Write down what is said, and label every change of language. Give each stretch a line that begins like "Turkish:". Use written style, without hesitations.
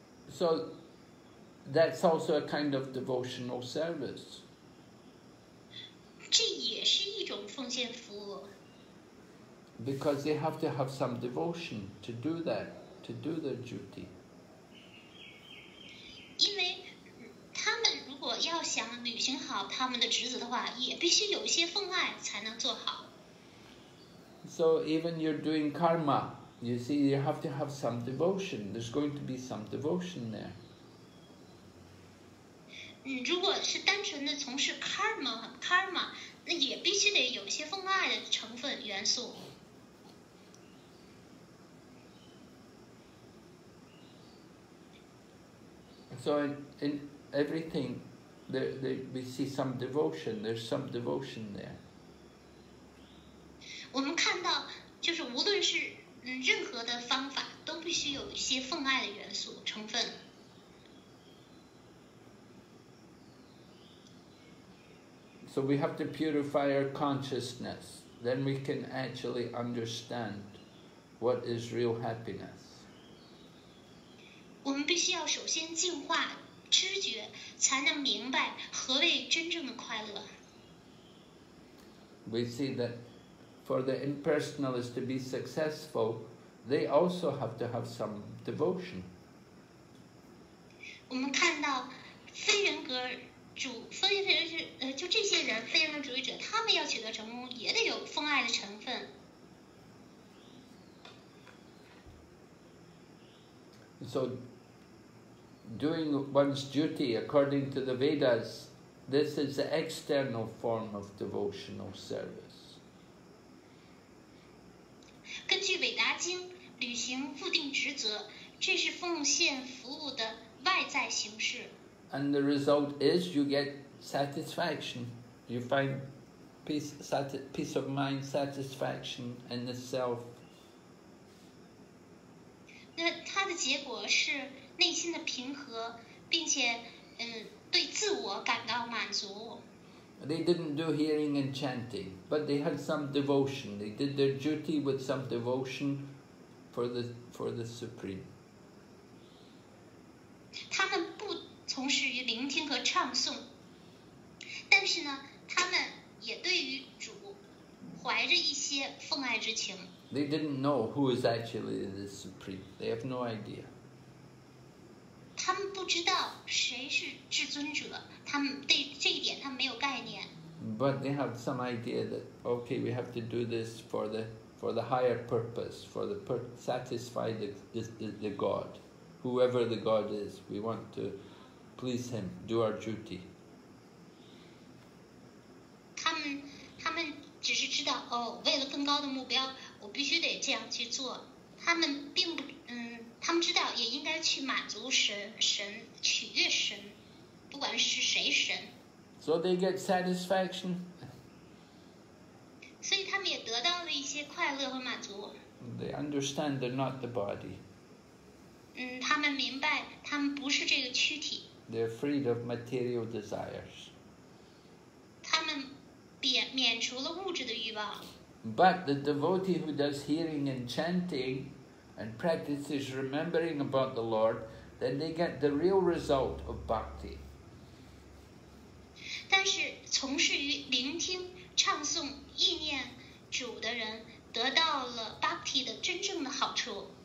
English: So, that's also a kind of devotional service.
Chinese: 这也是一种奉献服务。
English: Because they have to have some devotion to do that, to do their duty.
Chinese: 因为我要想履行好他们的职责的话，也必须有一些奉爱才能做好。
English: So even you're doing karma, you see, you have to have some devotion. There's going to be some devotion there.
Chinese: 如果是单纯的从事 karma, 那也必须得有一些奉爱的成分元素。
English: So in everything. We see some devotion. There's some devotion there.
Chinese: 我们看到，就是无论是任何的方法，都必须有一些奉爱的元素成分。
English: So we have to purify our consciousness, then we can actually understand what is real happiness.
Chinese: 我们必须要首先净化。知觉才能明白何谓真正的快乐。
English: we see that for the impersonalist to be successful, they also have to have some devotion.
Chinese: 我们看到非人格主非人就这些人非人格主义者，他们要取得成功，也得有奉爱的成分。
English: So, doing one's duty according to the Vedas, this is the external form of devotional service.
Chinese: 根据韦达经，履行固定职责，这是奉献服务的外在形式。
English: And the result is you get satisfaction. You find peace of mind, satisfaction in the self.
Chinese: 那它的结果是内心的平和，并且对自我感到满足。
English: They didn't do hearing and chanting, but they had some devotion. They did their duty with some devotion for the Supreme.
Chinese: 他们不从事于聆听和唱诵，但是呢，他们也对于主怀着一些奉爱之情。
English: They didn't know who is actually the Supreme. They have no idea.
Chinese: 他们不知道谁是至尊者，他们对这一点他们没有概念。
English: But they have some idea that, okay, we have to do this for the higher purpose, satisfy the God. Whoever the God is, we want to please him, do our duty.
Chinese: 他们只是知道，哦，为了更高的目标，我必须得这样去做。他们并不，他们知道也应该去满足神，取悦神，不管是谁神。
English: So they get satisfaction.
Chinese: 所以他们也得到了一些快乐和满足。
English: They understand they're not the body.
Chinese: 他们明白他们不是这个躯体。
English: They're freed of material desires.
Chinese: 他们免除了物质的欲望。
English: But the devotee who does hearing and chanting and practices remembering about the Lord, then they get the real result of bhakti.
Chinese: 但是从事于聆听、唱诵、意念主的人得到了 bhakti 的真正的好处。